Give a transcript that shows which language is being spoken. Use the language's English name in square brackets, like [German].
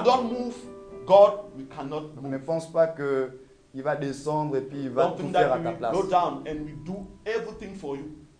[English] If you don't move, God, we cannot move. [French] Ne pense pas que il va descendre et puis il va [English] don't [French] tout faire à ta place. [English] Go down and we do everything for you.